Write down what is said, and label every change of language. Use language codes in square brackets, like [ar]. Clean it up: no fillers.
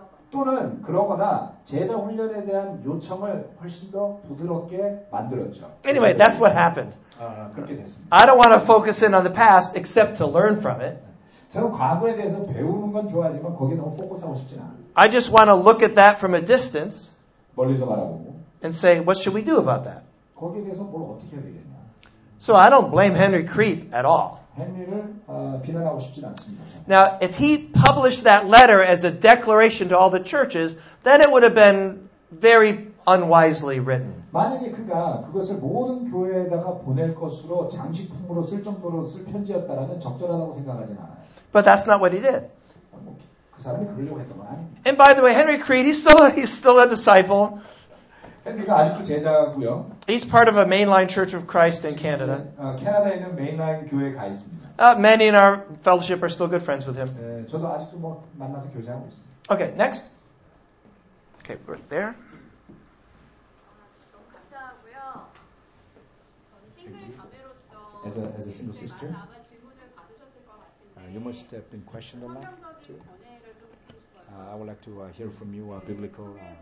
[ko] 또는 그러거나 제자 훈련에 대한 요청을 훨씬 더 부드럽게 만들었죠. [en] Anyway, that's what happened. [ko] 그렇게 됐습니다. [en] I don't want to focus in on the past except to learn from it. [ko] 저는 과거에 대해서 배우는 건 좋아하지만 거기에 너무 포커스하고 싶진 않아요. [en] I just want to look at that from a distance. [ko] 멀리서 바라보고. [en] And say, what should we do about that? [ko] 거기에 대해서 뭘 어떻게 해야 되겠냐. [en] So I don't blame Henry Crete at all. [ko] 헨리를 비난하고 싶진 않습니다. [en] Now, if he published that letter as a declaration to all the churches, then it would have been very unwisely written. [ko] 만약에 그가 그것을 모든 교회에다가 보낼 것으로 장식품으로 쓸 정도로 쓸 편지였다라면 적절하다고 생각하지 않아요. [en] But that's not what he did. [ko] 그 사람이 그러려고 했던 건 아니에요. [en] And by the way, Henry Crete, he's still a disciple. [ko] 헨리가 아직도 제자고요. [en] He's part of a mainline Church of Christ in Canada. [ko] 캐나다에 있는 메인라인 교회에 가 있습니다. [en] Many in our fellowship are still good friends with him. [ko] 네, 저도 아직도 뭐 만나서 교제하고 있습니다. [en] Okay, next. Okay, we're there. [ko] 감사하고요. 저는 싱글 자매로서 [en] single sister. [ko] 아마 질문을 받으셨을 것 같은데 성경적인 견해를 좀 듣고 싶어요. [en] I would like to hear from you a biblical